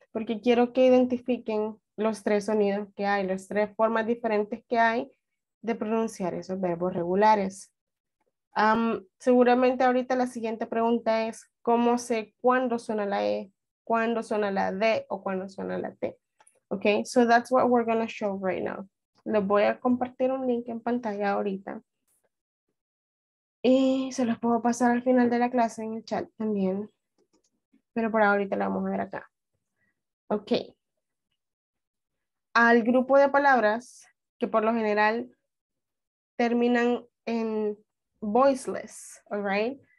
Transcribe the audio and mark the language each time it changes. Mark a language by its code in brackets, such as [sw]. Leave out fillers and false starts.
[es] Porque quiero que identifiquen los tres sonidos que hay, las tres formas diferentes que hay de pronunciar esos verbos regulares. Seguramente ahorita la siguiente pregunta es, ¿cómo sé cuándo suena la E, cuándo suena la D o cuándo suena la T? [en] Ok, so that's what we're going to show right now. [es] Les voy a compartir un link en pantalla ahorita. Y se los puedo pasar al final de la clase en el chat también. Pero por ahorita la vamos a ver acá. Ok. Al grupo de palabras que por lo general terminan en voiceless, [en] all right?